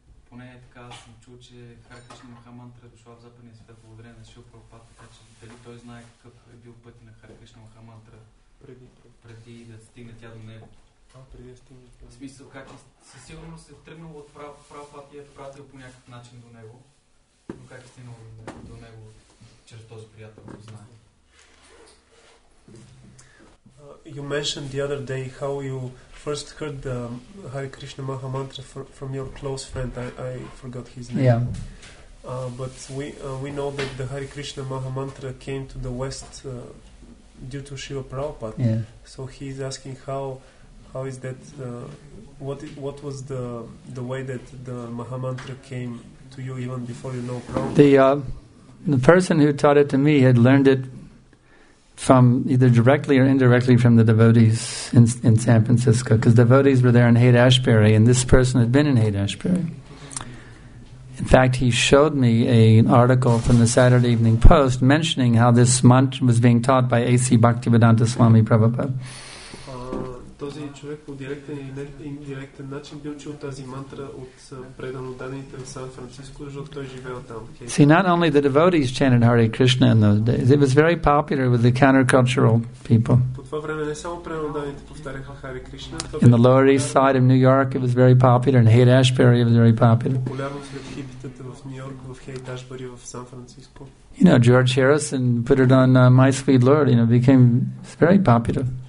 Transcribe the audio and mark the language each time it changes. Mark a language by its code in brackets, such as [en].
[bg] поне така съм чул, че Харкришна Махамантра е дошла в западния свят благодарение на Шил Прабхупад, така че дали той знае какъв е бил пътя на Харкришна Махамантра преди да стигне тя до него. А, преди да стигне тя до него. В смисъл, как със сигурност е тръгнал от Прабхупад и е пратил по някакъв начин до него, но как е стигнал до него чрез този приятел, който знае. [en] You mentioned the other day how you first heard the Hare Krishna Maha Mantra from your close friend. I forgot his name. Yeah. But we know that the Hare Krishna Maha Mantra came to the West due to Srila Prabhupada. Yeah. So he's asking how is that, what was the way that the Maha Mantra came to you even before you know Prabhupada? The person who taught it to me had learned it from either directly or indirectly from the devotees in San Francisco, because devotees were there in Haight-Ashbury, and this person had been in Haight-Ashbury. In fact, he showed me an article from the Saturday Evening Post mentioning how this mantra was being taught by A.C. Bhaktivedanta Swami Prabhupada. [bg] Този човек по директен или индиректен начин бил чул тази мантра от предано-дадените в Сан-Франциско, защото той живеел там. [en] See, not only the devotees chanted Hare Krishna in those days, it was very popular with the countercultural people. [bg] По това време не само предано-дадените повтаряха Hare Krishna. [en] In the Lower East Side of New York, it was very popular. In Haight-Ashbury, it was very popular. [bg] Популярно сред хипитата в Нью-Йорк, в Haight-Ashbury, в Сан-Франциско. [en] You know, George Harrison put it on My Sweet Lord, you know, became very popular.